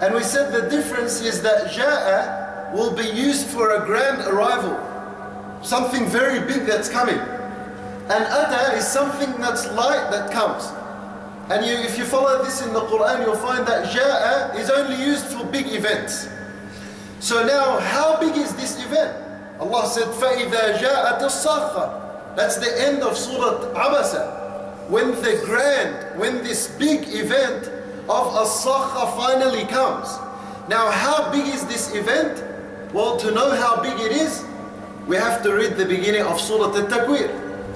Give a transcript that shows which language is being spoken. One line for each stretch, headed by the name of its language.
English: And we said the difference is that jaa will be used for a grand arrival, something very big that's coming. And ata is something that's light that comes. And you, if you follow this in the Quran, you'll find that jaa is only used for big events. So now, how big is this event? Allah said,
Arabic: فَإِذَا جَاءَتِ الصَّخَّةِ.
English: That's the end of Surah Abasa. When the grand, when this big event of As-Sakha finally comes. Now, how big is this event? Well, to know how big it is, we have to read the beginning of Surah Al-Takweer.